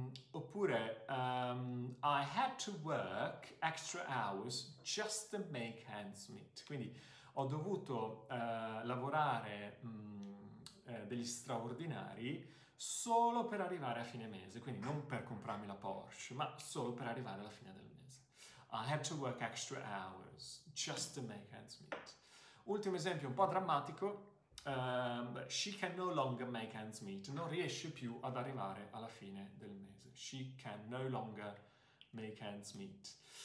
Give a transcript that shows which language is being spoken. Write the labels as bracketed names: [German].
[Italian] Oppure, [English] I had to work extra hours just to make ends meet. [Italian] Quindi ho dovuto lavorare degli straordinari solo per arrivare a fine mese, quindi non per comprarmi la Porsche, ma solo per arrivare alla fine del mese. [English] I had to work extra hours just to make ends meet. [Italian] Ultimo esempio, un po' drammatico. [English] She can no longer make ends meet. [Italian] Non riesce più ad arrivare alla fine del mese. [English] She can no longer make ends meet.